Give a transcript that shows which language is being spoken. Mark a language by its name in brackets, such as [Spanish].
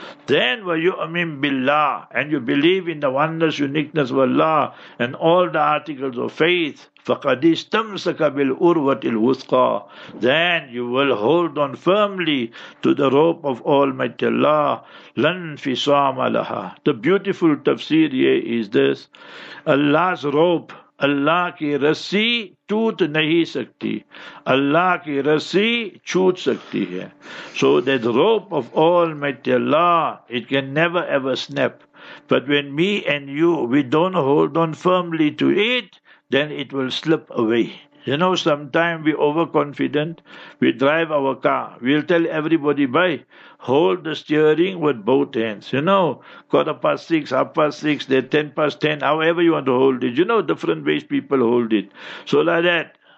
[English] Then were you amin billah, and you believe in the oneness, uniqueness of Allah, and all the articles of faith, [Arabic] فَقَدِسْتَمْسَكَ بِالْأُرْوَةِ الْوُثْقَى. [English] Then you will hold on firmly to the rope of Almighty Allah. [Arabic] لَنْ فِصَامَ لَهَا. [English] The beautiful tafsir here is this. Allah's rope, [Urdu] اللہ کی رسی ٹوٹ نہیں سکتی, اللہ کی رسی چھوٹ سکتی ہے. [English] So that rope of almighty Allah it can never ever snap, but when me and you we don't hold on firmly to it then it will slip away. You know, sometimes we overconfident, we drive our car. We'll tell everybody, bye, hold the steering with both hands. You know, 6:15, 6:30, then 10:10, however you want to hold it. You know, different ways people hold it. So like that.